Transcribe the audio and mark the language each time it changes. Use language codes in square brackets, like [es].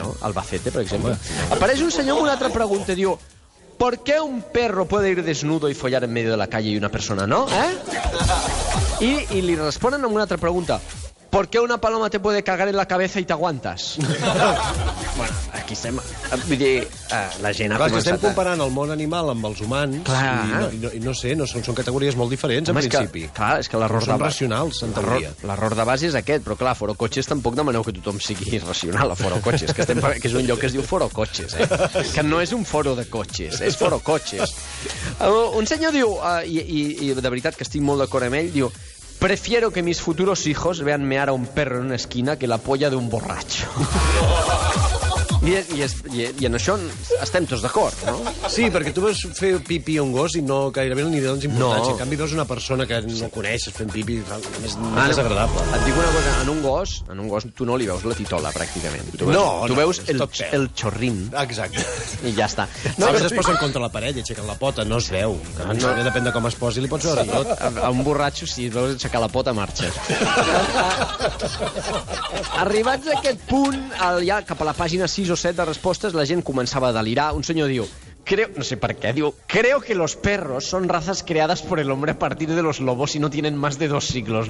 [ca] No? Albacete, per exemple. Apareix un senyor amb una altra pregunta, diu: [es] ¿por qué un perro puede ir desnudo y follar en medio de la calle y una persona no? ¿Eh? [ca] I li responen amb una altra pregunta: [es] ¿por qué una paloma te puede cagar en la cabeza y te aguantas? Bueno, [ca] aquí estem... Vull dir, la gent ha començat... Estem comparant el món animal amb els humans i no sé, són categories molt diferents. Home, en principi. És que l'error són racionals, en teoria. L'error de base és aquest, però clar, Foro Cotxes tampoc demaneu que tothom sigui irracional a Foro Cotxes, que és un lloc que es diu Foro Cotxes, eh? Que no és un foro de cotxes, és Foro Cotxes. Un senyor diu, i de veritat que estic molt d'acord amb ell, diu... [es] Prefiero que mis futuros hijos vean mear a un perro en una esquina que la polla de un borracho. [ca] I en això estem tots d'acord, no? Sí, perquè tu vas fer pipí a un gos i no gairebé ni de dones importància. No. En canvi, veus una persona que no coneixes fent pipí, és més agradable. Et dic una cosa, en un gos tu no li veus la titola, pràcticament. Tu veus el xorrim. Exacte. I ja està. No, a vegades es posen contra la parella, aixequen la pota, no es veu. No. No. Depèn de com es posi, li pots veure tot. A un borratxo, si et veus aixecar la pota, marxes. Arribats a aquest punt, ja cap a la pàgina 6, o 7 de respostes, la gent començava a delirar. Un senyor diu, [es] creo que los perros son razas creadas por el hombre a partir de los lobos y no tienen más de 2 siglos.